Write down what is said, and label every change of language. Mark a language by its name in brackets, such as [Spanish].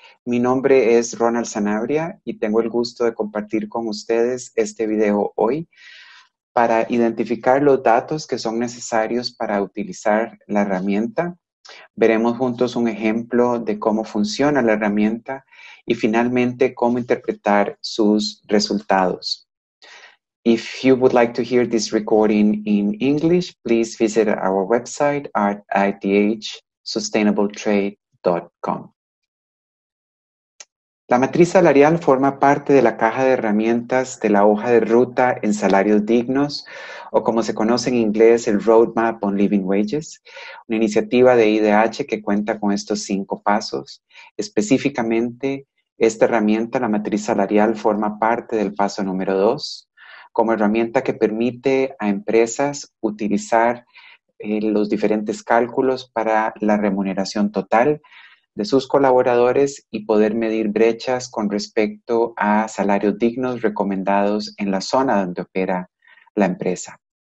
[Spanish] Mi nombre es Ronald Sanabria y tengo el gusto de compartir con ustedes este video hoy para identificar los datos que son necesarios para utilizar la herramienta. Veremos juntos un ejemplo de cómo funciona la herramienta y finalmente cómo interpretar sus resultados. [English] If you would like to hear this recording in English, please visit our website at idhsustainabletrade.com. [Spanish] La matriz salarial forma parte de la caja de herramientas de la hoja de ruta en salarios dignos, o como se conoce en inglés, el Roadmap on Living Wages, una iniciativa de IDH que cuenta con estos cinco pasos. Específicamente, esta herramienta, la matriz salarial, forma parte del paso número dos, como herramienta que permite a empresas utilizar los diferentes cálculos para la remuneración total de sus colaboradores y poder medir brechas con respecto a salarios dignos recomendados en la zona donde opera la empresa.